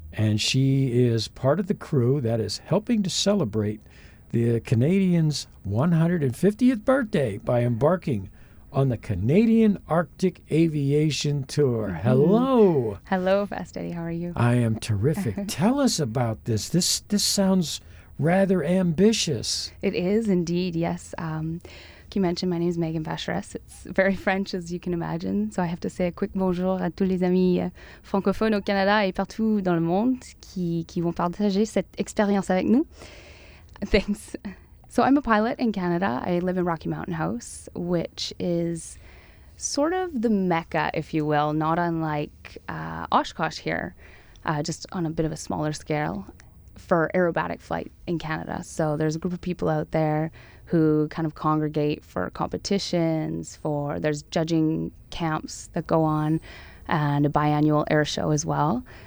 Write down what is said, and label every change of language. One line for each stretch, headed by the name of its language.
English: And she is part of the crew that is helping to celebrate the Canadians' 150th birthday by embarking on the Canadian Arctic Aviation Tour. Mm-hmm. Hello. Hello, Fast Eddie. How are you? I am terrific. Tell us about this. This sounds rather ambitious. It is indeed, yes. You mentioned my name is Megan Vacheres. It's very French, as you can imagine. So I have to say a quick
French: bonjour à tous les amis francophones au Canada et partout dans le monde qui vont partager cette expérience avec nous.
English: Thanks. So I'm a pilot in Canada. I live in Rocky Mountain House, which is sort of the Mecca, if you will, not unlike Oshkosh here, just on a bit of a smaller scale for aerobatic flight in Canada. So there's a group of people out there who kind of congregate for competitions, there's judging camps that go on, and a biannual air show as well.